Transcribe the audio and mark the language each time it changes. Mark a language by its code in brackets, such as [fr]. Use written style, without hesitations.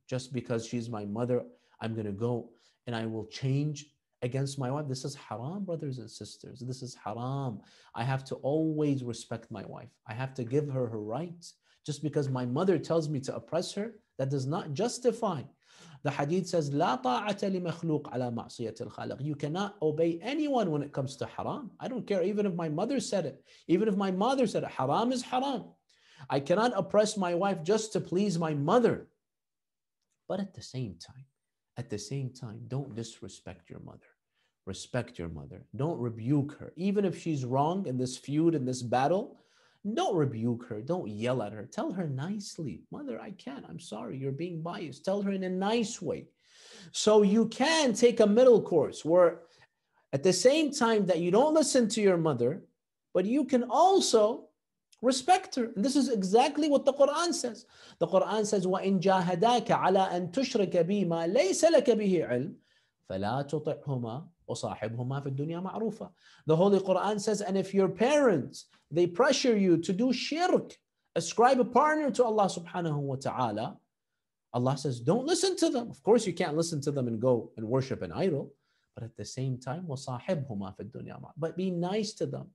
[en] Just because she's my mother, I'm going to go and I will change against my wife. This is haram, brothers and sisters. This is haram. I have to always respect my wife. I have to give her her rights. Just because my mother tells me to oppress her, that does not justify. [ar] The hadith says, لا طاعة لمخلوق على معصية الخالق. [en] You cannot obey anyone when it comes to haram. I don't care even if my mother said it. Even if my mother said it, haram is haram. I cannot oppress my wife just to please my mother. But at the same time, don't disrespect your mother. Respect your mother. Don't rebuke her. Even if she's wrong in this feud, in this battle, don't rebuke her. Don't yell at her. Tell her nicely, mother, I can't. I'm sorry. You're being biased. Tell her in a nice way. So you can take a middle course where at the same time that you don't listen to your mother, but you can also respect her. And this is exactly what the Quran says. [ar] The Quran says, وَإِنْ جَاهَدَاكَ عَلَىٰ أَنْ تُشْرِكَ بِي مَا لَيْسَ لَكَ بِهِ عِلْمٍ فَلَا تُطِعْهُمَا وَصَاحِبْهُمَا فِي الدُّنْيَا مَعْرُوفًا. [en] The Holy Quran says, and if your parents, they pressure you to do shirk, ascribe a partner to Allah subhanahu wa ta'ala, Allah says, don't listen to them. Of course, you can't listen to them and go and worship an idol. But at the same time, [ar] وَصَاحِبْهُمَا فِي الدُّنْيَا مَعْرُوفًا. [en] But be nice to them.